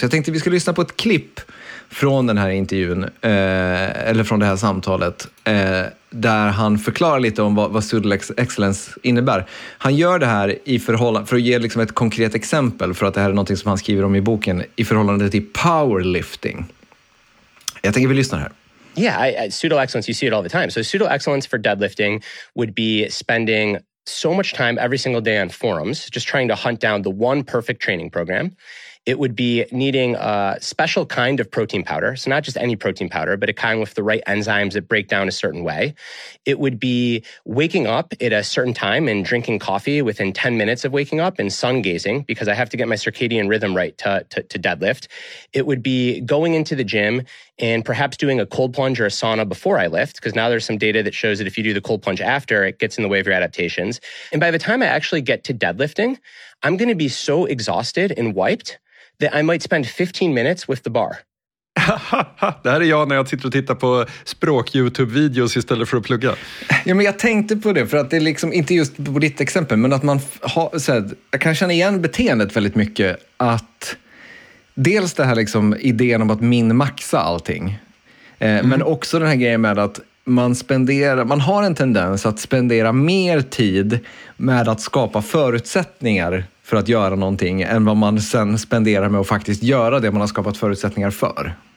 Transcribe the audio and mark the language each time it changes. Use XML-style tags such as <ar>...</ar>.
<sv>Jag tänkte vi ska lyssna på ett klipp från den här intervjun, eller från det här samtalet, där han förklarar lite om vad pseudo-excellence innebär. Han gör det här i förhållande, för att ge liksom ett konkret exempel, för att det här är någonting som han skriver om i boken, i förhållande till powerlifting. Jag tänker vi lyssnar här.</sv> <en>Yeah, pseudo-excellence, you see it all the time. So pseudo-excellence for deadlifting would be spending so much time every single day on forums, just trying to hunt down the one perfect training program. It would be needing a special kind of protein powder. So not just any protein powder, but a kind with the right enzymes that break down a certain way. It would be waking up at a certain time and drinking coffee within 10 minutes of waking up and sun gazing, because I have to get my circadian rhythm right to deadlift. It would be going into the gym and perhaps doing a cold plunge or a sauna before I lift, because now there's some data that shows that if you do the cold plunge after, it gets in the way of your adaptations. And by the time I actually get to deadlifting, I'm going to be so exhausted and wiped that I might spend 15 minutes with the bar.</en> <sv>Det här är jag när jag sitter och tittar på språk-YouTube-videos istället för att plugga. Ja, men jag tänkte på det, för att det är liksom inte just på ditt exempel, men att man har, så här, jag kan känna igen beteendet väldigt mycket, att dels det här liksom idén om att min-maxa allting, men också den här grejen med att man har en tendens att spendera mer tid med att skapa förutsättningar för att göra någonting än vad man sen spenderar med att faktiskt göra det man har skapat förutsättningar för.</sv>